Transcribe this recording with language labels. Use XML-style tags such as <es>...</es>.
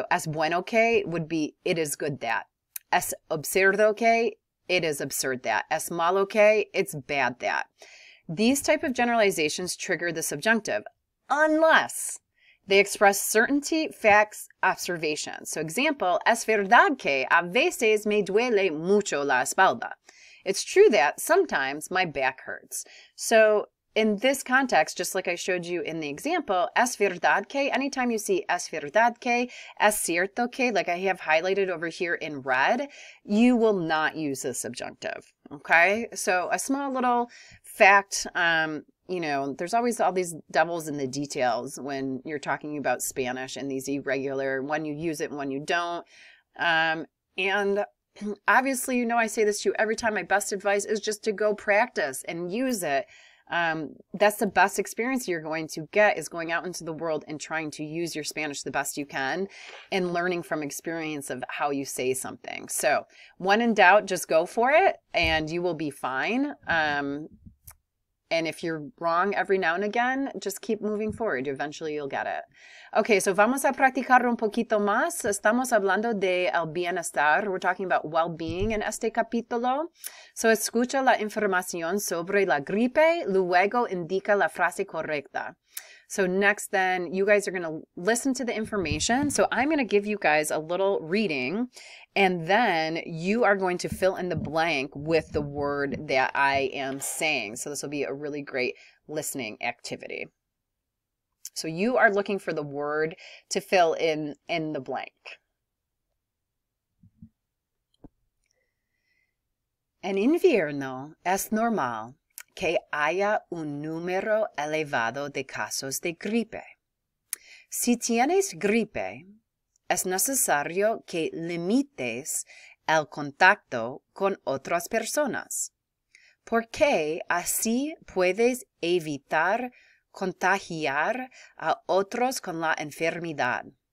<en>So</en> <es>es bueno que</es> <en>would be it is good that.</en> <es>Es absurdo que</es> <en>it is absurd that.</en> <es>Es malo que</es> <en>it's bad that. These type of generalizations trigger the subjunctive unless they express certainty, facts, observations. So example,</en> <es>es verdad que a veces me duele mucho la espalda.</es> <en>It's true that sometimes my back hurts. So in this context, just like I showed you in the example, es verdad que, anytime you see</en> <es>es verdad que, es cierto que,</es> <en>like I have highlighted over here in red, you will not use the subjunctive, okay? So a small little fact, you know, there's always all these devils in the details when you're talking about Spanish and these irregular, when you use it and when you don't. And obviously, you know, I say this to you every time. My best advice is just to go practice and use it. That's the best experience you're going to get, is going out into the world and trying to use your Spanish the best you can and learning from experience of how you say something. So when in doubt, just go for it and you will be fine. And if you're wrong every now and again, just keep moving forward. Eventually you'll get it.</en> <es>Okay, so vamos a practicar un poquito más. Estamos hablando de el bienestar.</es> <en>We're talking about well-being in</en> <es>este capítulo. So escucha la información sobre la gripe, luego indica la frase correcta.</es> <en>So next then, you guys are going to listen to the information. So I'm going to give you guys a little reading, and then you are going to fill in the blank with the word that I am saying. So this will be a really great listening activity. So you are looking for the word to fill in the blank.</en> <es>En invierno es normal que haya un número elevado de casos de gripe. Si tienes gripe, es necesario que limites el contacto con otras personas, porque así puedes evitar contagiar a otros con la enfermedad.</es>